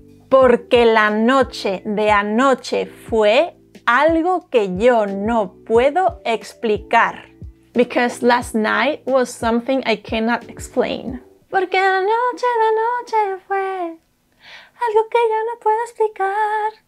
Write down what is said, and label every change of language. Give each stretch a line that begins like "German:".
Spanish: Porque la noche de anoche fue algo que yo no puedo explicar.
English: Because last night was something I cannot explain.
Spanish: Porque la noche fue algo que yo no puedo explicar.